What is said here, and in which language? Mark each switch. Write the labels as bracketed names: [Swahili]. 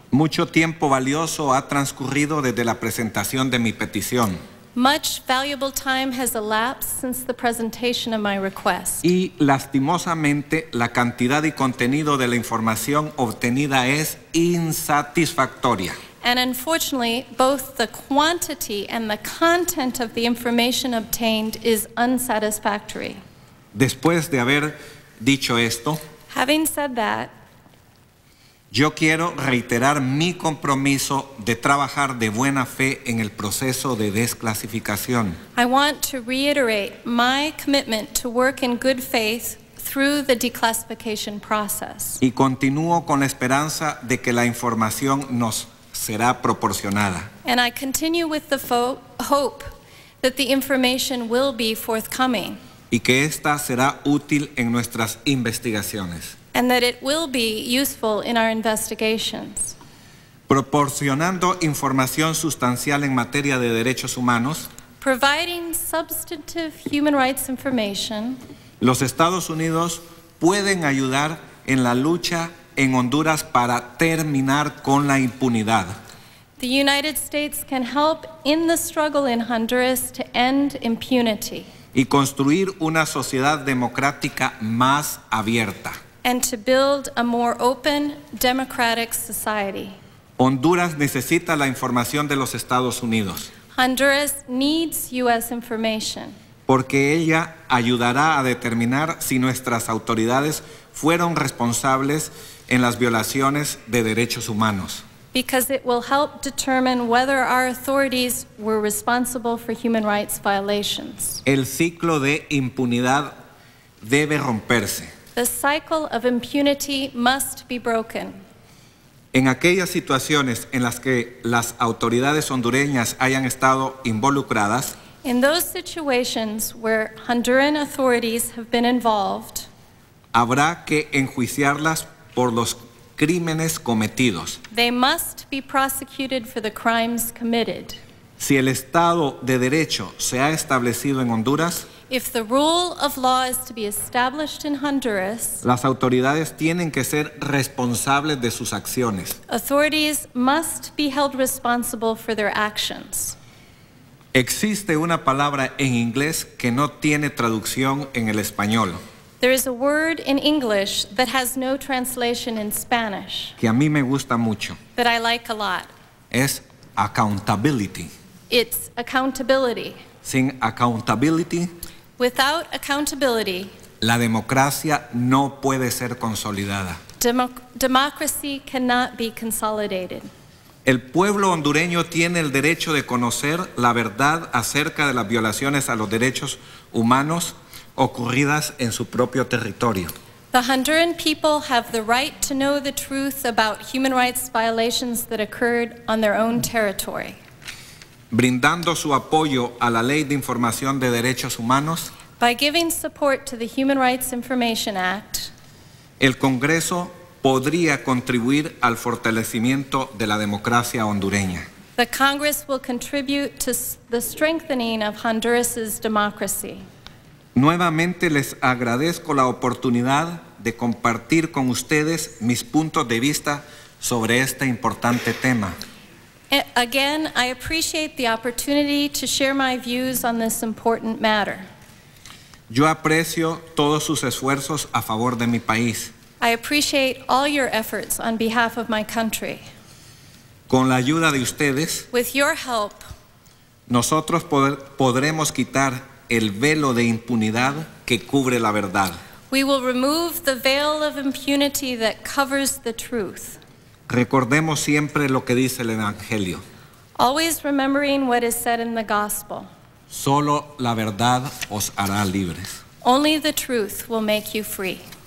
[Spanish] Mucho tiempo valioso ha transcurrido desde la presentación de mi petición. [English] Much valuable time has elapsed since the presentation of my request. [Spanish] Y lastimosamente, la cantidad y contenido de la información obtenida es insatisfactoria. [English] And unfortunately, both the quantity and the content of the information obtained is unsatisfactory. [Spanish] Después de haber dicho esto, [English] having said that, [Spanish] yo quiero reiterar mi compromiso de trabajar de buena fe en el proceso de desclasificación. [English] I want to reiterate my commitment to work in good faith through the declassification process. [Spanish] Y continúo con la esperanza de que la información nos será proporcionada. [English] And I continue with the hope that the information will be forthcoming. [Spanish] Y que esta será útil en nuestras investigaciones. [English] And that it will be useful in our investigations. [Spanish] Proporcionando información sustancial en materia de derechos humanos. [English] Providing substantive human rights information. [Spanish] Los Estados Unidos pueden ayudar en la lucha en Honduras para terminar con la impunidad. [English] The United States can help in the struggle in Honduras to end impunity. [Spanish] Y construir una sociedad democrática más abierta. [English] And to build a more open, democratic society. [Spanish] Honduras necesita la información de los Estados Unidos. [English] Honduras needs U.S. information. [Spanish] Porque ella ayudará a determinar si nuestras autoridades fueron responsables en las violaciones de derechos humanos. [English] Because it will help determine whether our authorities were responsible for human rights violations. [Spanish] El ciclo de impunidad debe romperse. [English] The cycle of impunity must be broken. [Spanish] En aquellas situaciones en las que las autoridades hondureñas hayan estado involucradas, [English] in those situations where Honduran authorities have been involved, [Spanish] habrá que enjuiciarlas por los crímenes cometidos. [English] They must be prosecuted for the crimes committed. [Spanish] Si el Estado de Derecho se ha establecido en Honduras, [English] if the rule of law is to be established in Honduras, [Spanish] las autoridades tienen que ser responsables de sus acciones. [English] Authorities must be held responsible for their actions. [Spanish] Existe una palabra en inglés que no tiene traducción en el español. [English] There is a word in English that has no translation in Spanish. [Spanish] Que a mí me gusta mucho. [English] That I like a lot. [Spanish] Es accountability. [English] It's accountability. [Spanish] Sin accountability. [English] Without accountability. [Spanish] La democracia no puede ser consolidada. [English] Democracy cannot be consolidated. [Spanish] El pueblo hondureño tiene el derecho de conocer la verdad acerca de las violaciones a los derechos humanos ocurridas en su propio territorio. [English] The Honduran people have the right to know the truth about human rights violations that occurred on their own territory. [Spanish] Brindando su apoyo a la Ley de Información de Derechos Humanos, [English] by giving support to the Human Rights Information Act, [Spanish] el Congreso podría contribuir al fortalecimiento de la democracia hondureña. [English] The Congress will contribute to the strengthening of Honduras's democracy. [Spanish] Nuevamente les agradezco la oportunidad de compartir con ustedes mis puntos de vista sobre este importante tema. [English] Again, I appreciate the opportunity to share my views on this important matter. [Spanish] Yo aprecio todos sus esfuerzos a favor de mi país. [English] I appreciate all your efforts on behalf of my country. [Spanish] Con la ayuda de ustedes, [English] with your help, [Spanish] nosotros podremos quitar el velo de impunidad que cubre la verdad. [English] We will remove the veil of impunity that covers the truth. [Spanish] Recordemos siempre lo que dice el Evangelio. [English] Always remembering what is said in the gospel. [Spanish] Solo la verdad os hará libres. [English] Only the truth will make you free.